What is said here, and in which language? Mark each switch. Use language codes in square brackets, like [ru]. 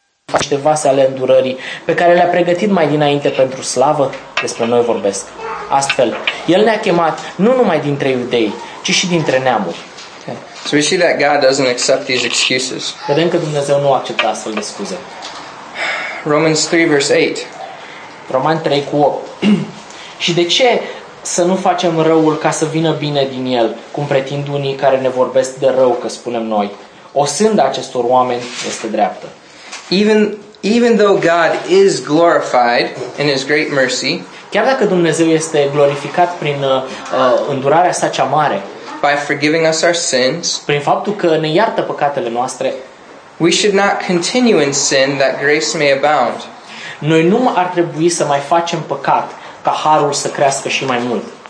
[ro] Face vase ale îndurării pe care le-a pregătit mai dinainte pentru slavă, despre noi vorbesc. Astfel, el ne-a chemat nu numai dintre iudei, ci și dintre neamuri. [en] So we see that God doesn't accept these excuses. [ro] Vedem că Dumnezeu nu acceptă astfel de scuze. [en] Romans 3 verse 8. [ro] Roman 3 cu 8. Și de ce să nu facem răul ca să vină bine din el, cum pretind unii care ne vorbesc de rău că spunem noi? Osânda acestor oameni este dreaptă. [en] Even Even though God is glorified in his great mercy, [ro] chiar dacă Dumnezeu este glorificat prin îndurarea sa cea mare, [en] by forgiving us our sins, [ro] prin faptul că ne iartă păcatele noastre, [en] we should not continue in sin that grace may abound. [ro] Noi nu ar trebui să mai facem păcat ca harul să crească și mai mult.